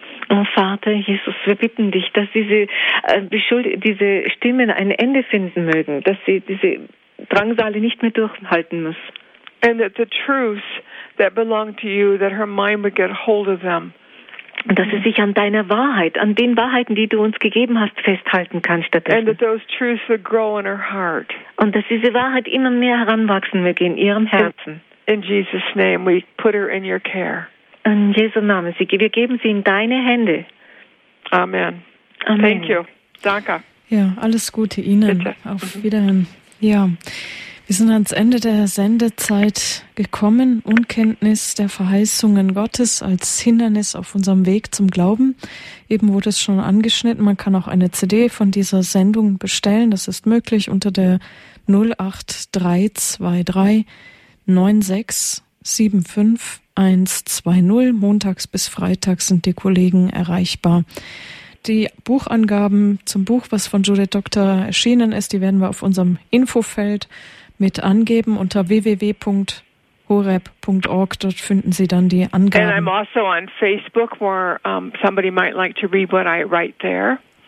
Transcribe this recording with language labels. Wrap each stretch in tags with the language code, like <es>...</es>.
<de>Oh, Vater Jesus, wir bitten dich, dass diese Stimmen ein Ende finden mögen, dass sie diese Drangsale nicht mehr durchhalten muss.</de> <en>And that the truths that belong to you, that her mind would get hold of them.</en> <de>Und dass sie sich an deiner Wahrheit, an den Wahrheiten, die du uns gegeben hast, festhalten kann stattdessen.</de> <en>And that those truths would grow in her heart.</en> <de>Und dass diese Wahrheit immer mehr heranwachsen möge in ihrem Herzen.</de> <en>In Jesus' name, we put her in your care.</en> <de>In Jesu Namen, wir geben sie in deine Hände.</de> <en>Amen.</en> <de>Amen.</de> <en>Thank you.</en> <de>Danke. Ja, alles Gute Ihnen. Bitte. Auf Wiederhören. Ja. Wir sind ans Ende der Sendezeit gekommen. Unkenntnis der Verheißungen Gottes als Hindernis auf unserem Weg zum Glauben. Eben wurde es schon angeschnitten. Man kann auch eine CD von dieser Sendung bestellen. Das ist möglich unter der 08323 96 75 120. Montags bis Freitags sind die Kollegen erreichbar. Die Buchangaben zum Buch, was von Judith Doctor erschienen ist, die werden wir auf unserem Infofeld mit angeben unter www.horeb.org. Dort finden Sie dann die Angaben.</de> <en>And I'm also on Facebook, where somebody might like to read what I write there.</en>